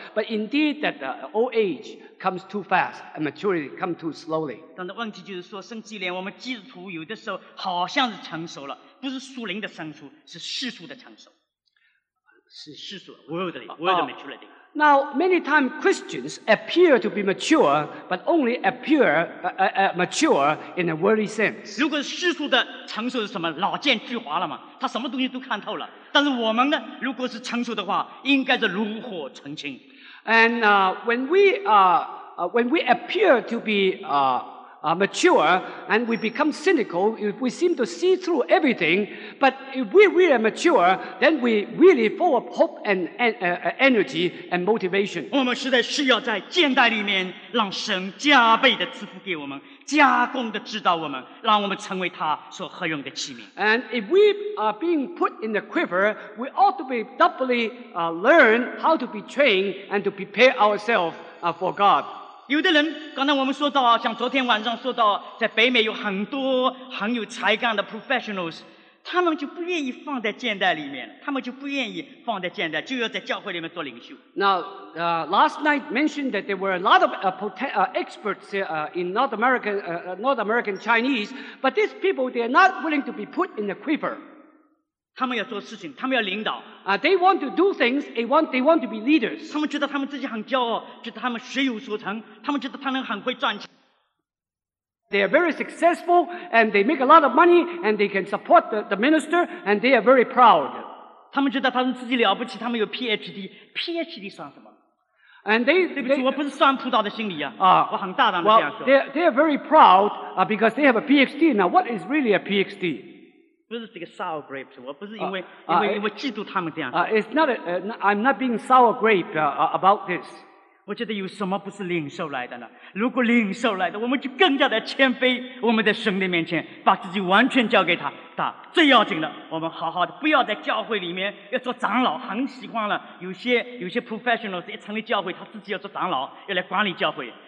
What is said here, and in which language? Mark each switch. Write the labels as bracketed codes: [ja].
[en] But indeed that old age comes too fast and maturity comes too slowly. [zh] 但是问题就是说，甚至连我们基督徒有的时候好像是成熟了，不是属灵的成熟，是世俗的成熟。是 [en] 世俗 worldly maturity. Now, many times Christians appear to be mature, but only appear mature in a worldly sense. [zh] 如果世俗的成熟是什么？老奸巨猾了嘛，他什么东西都看透了。但是我们呢，如果是成熟的话，应该是炉火纯青。 [en] And when we appear to be mature and we become cynical, we seem to see through everything. But if we really are mature, then we really full of hope and energy and motivation. [zh] 我们实在需要在现代里面让神加倍的赐福给我们，加工的制造我们，让我们成为他所合用的器皿。 [en] And if we are being put in the quiver, we ought to be doubly learn how to be trained and to prepare ourselves for God. [zh] 有的人，刚才我们说到，像昨天晚上说到，在北美有很多很有才干的 professionals， 他们就不愿意放在现代里面，他们就不愿意放在现代，就要在教会里面做领袖。 [en] Now, last night mentioned that there were a lot of experts in North American Chinese, but these people they are not willing to be put in the quiver. [zh] 他们要做事情，他们要领导。 [en] They want to do things. They want to be leaders. [zh] 他们觉得他们自己很骄傲，觉得他们学有所成，他们觉得他们很会赚钱。 [en] They are very successful, and they make a lot of money, and they can support the minister, and they are very proud. [zh] 他们觉得他们自己了不起，他们有 PhD. PhD 算什么？ [en] And they, [zh] 对不起，我不是算葡萄的心理啊，我很大胆的这样说。 [en] Well, they are very proud, because they have a PhD. Now, what is really a PhD? [zh] 不是这个 [en] sour grapes， [zh] 我不是因为嫉妒他们这样。 [en] It's not I'm not being sour grape about this。 [zh] 我觉得有什么不是领受来的呢？如果领受来的，我们就更加的谦卑，我们的神的面前，把自己完全交给他。最要紧的，我们好好的，不要在教会里面要做长老，很喜欢了。有些 professionals 一成立教会，他自己要做长老，要来管理教会。